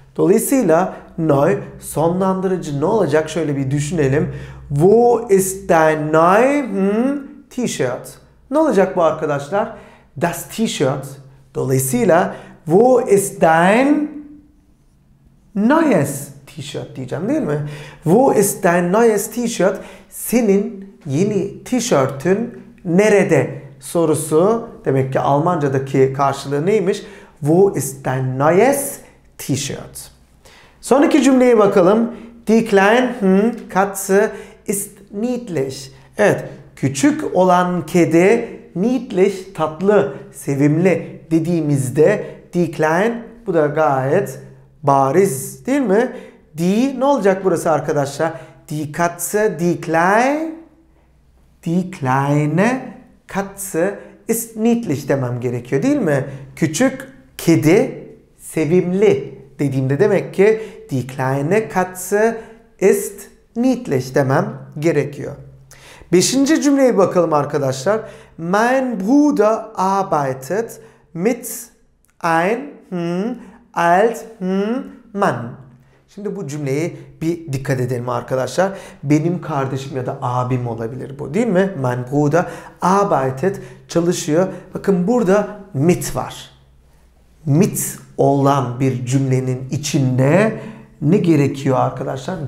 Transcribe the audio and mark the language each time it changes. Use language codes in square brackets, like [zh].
[tr] Dolayısıyla neu sonlandırıcı ne olacak? Şöyle bir düşünelim. [de] Wo ist dein neu T-shirt? [tr] Ne olacak bu arkadaşlar? [de] Das T-shirt. [tr] Dolayısıyla [de] wo ist dein neues T-shirt [tr] diyeceğim değil mi? [de] Wo ist dein neues T-shirt? [tr] Senin yeni T-shirt'ün nerede sorusu, demek ki Almanca'daki karşılığı neymiş? [de] Wo ist dein neues T T-Shirt. [tr] Sonraki cümleye bakalım. [de] Die kleinen Katze ist niedlich. [tr] Evet, küçük olan kedi niedlich, tatlı, sevimli dediğimizde [de] die klein, [tr] bu da gayet bariz değil mi? [de] Die, [tr] ne olacak burası arkadaşlar? [de] Die Katze, die klein, die kleine Katze ist niedlich [tr] demem gerekiyor değil mi? Küçük kedi sevimli dediğimde demek ki [de] die kleine Katze ist niedlich [tr] demem gerekiyor. Beşinci cümleye bakalım arkadaşlar. [de] Mein Bruder arbeitet mit ein alt Mann. [tr] Şimdi bu cümleyi bir dikkat edelim arkadaşlar. Benim kardeşim ya da abim olabilir bu değil mi? [de] Mein Bruder arbeitet, [tr] çalışıyor. Bakın burada mit var. Mit olan bir cümlenin içinde ne gerekiyor arkadaşlar?